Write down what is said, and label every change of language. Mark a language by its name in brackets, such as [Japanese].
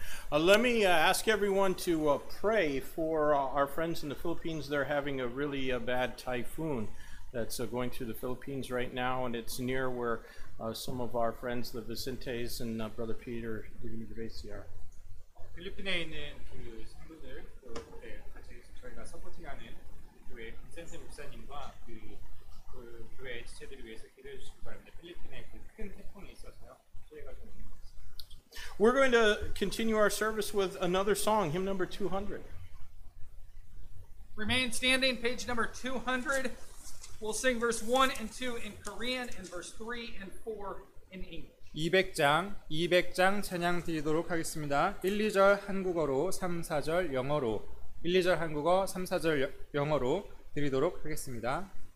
[English] Let me ask everyone to pray for our friends in the Philippines. They're having a really bad typhoon that's going through the Philippines right now, and it's near where some of our friends, the Vicentes and Brother Peter de Grace, are. [Korean] 필리핀에 있는 그 친구들, 네, 같이 저희가 서포팅하는 교회 빈센세 목사님과 그 교회 지체들을 위해서 기도해 주시기 바랍니다. 필리핀에 그 큰 태풍이 있어서요. 저희가 좀 [English] We're going to continue our service with another song, hymn number 200. Remain standing, page number 200. We'll sing verse 1 and 2 in Korean and verse 3 and 4 in English. [Korean] 200장 찬양 드리도록 하겠습니다. 1, 2절 한국어로, 3, 4절 영어로. 1, 2절 한국어, 3, 4절 영어로 드리도록 하겠습니다.